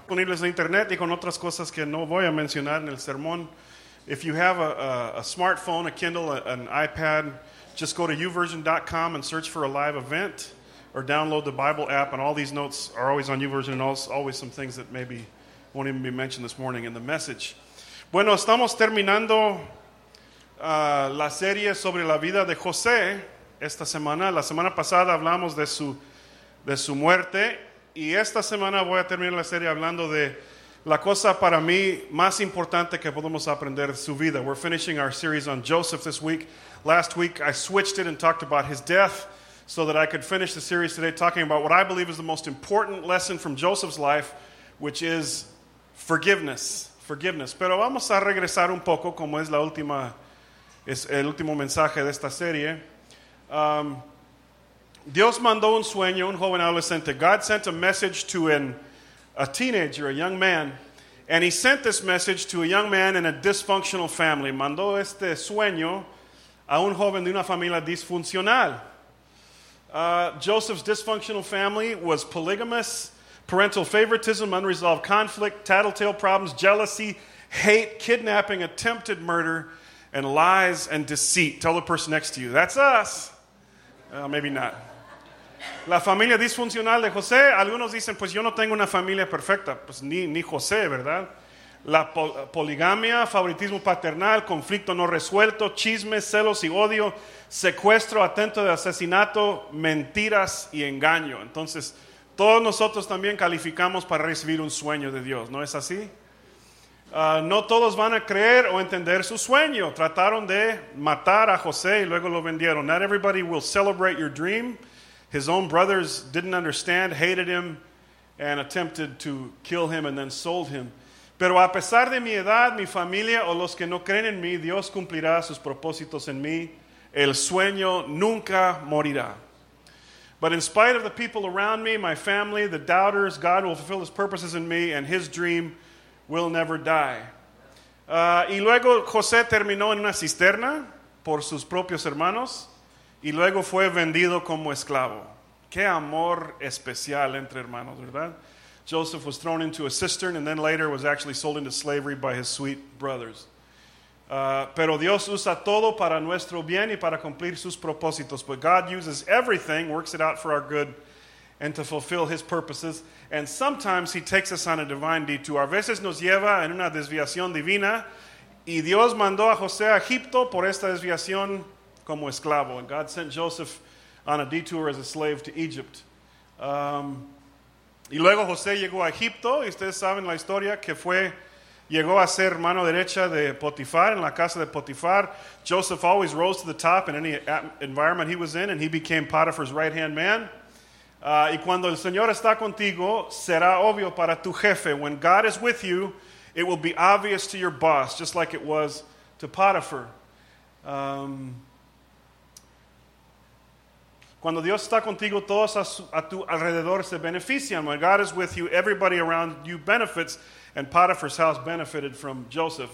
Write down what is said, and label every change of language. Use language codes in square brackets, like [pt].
[es] Disponibles en internet y con otras cosas que no voy a mencionar en el sermón. [en] If you have a smartphone, a Kindle, an iPad, just go to uversion.com and search for a live event. Or download the Bible app, and all these notes are always on YouVersion, and always some things that maybe won't even be mentioned this morning in the message. [es] Bueno, estamos terminando la serie sobre la vida de José esta semana. La semana pasada hablamos de su muerte, y esta semana voy a terminar la serie hablando de la cosa para mí más importante que podemos aprender de su vida. [en] We're finishing our series on Joseph this week. Last week I switched it and talked about his death, so that I could finish the series today talking about what I believe is the most important lesson from Joseph's life, which is forgiveness. Forgiveness. [es] Pero vamos a regresar un poco, como es la última, es el último mensaje de esta serie. Dios mandó un sueño, un joven adolescente. [en] God sent a message to a teenager, a young man, and he sent this message to a young man in a dysfunctional family. [es] Mandó este sueño a un joven de una familia disfuncional. [en] Joseph's dysfunctional family was polygamous, parental favoritism, unresolved conflict, tattletale problems, jealousy, hate, kidnapping, attempted murder, and lies and deceit. Tell the person next to you, that's us. Maybe not. [es] La familia disfuncional de José. Algunos dicen, pues yo no tengo una familia perfecta. Pues ni José, ¿verdad? La poligamia, favoritismo paternal, conflicto no resuelto, chismes, celos y odio, secuestro, atento de asesinato, mentiras y engaño. Entonces, todos nosotros también calificamos para recibir un sueño de Dios, ¿no es así? No todos van a creer o entender su sueño. Trataron de matar a José y luego lo vendieron. [en] Not everybody will celebrate your dream. His own brothers didn't understand, hated him, and attempted to kill him and then sold him. [es] Pero a pesar de mi edad, mi familia o los que no creen en mí, Dios cumplirá sus propósitos en mí. El sueño nunca morirá. [en] But in spite of the people around me, my family, the doubters, God will fulfill his purposes in me and his dream will never die. [es] Y luego José terminó en una cisterna por sus propios hermanos y luego fue vendido como esclavo. Qué amor especial entre hermanos, ¿verdad? [en] Joseph was thrown into a cistern and then later was actually sold into slavery by his sweet brothers. [es] Pero Dios usa todo para nuestro bien y para cumplir sus propósitos. [en] But God uses everything, works it out for our good, and to fulfill his purposes. And sometimes he takes us on a divine detour. [es] A veces nos lleva en una desviación divina. Y Dios mandó a José a Egipto por esta desviación como esclavo. [en] And God sent Joseph on a detour as a slave to Egypt. [es] Y luego José llegó a Egipto, y ustedes saben la historia, que fue, llegó a ser mano derecha de Potifar, en la casa de Potifar. [en] Joseph always rose to the top in any environment he was in, and he became Potiphar's right-hand man. [es] Y cuando el Señor está contigo, será obvio para tu jefe. [en] When God is with you, it will be obvious to your boss, just like it was to Potiphar. [es] Cuando Dios está contigo, todos a tu alrededor se benefician. [en] When God is with you, everybody around you benefits. And Potiphar's house benefited from Joseph.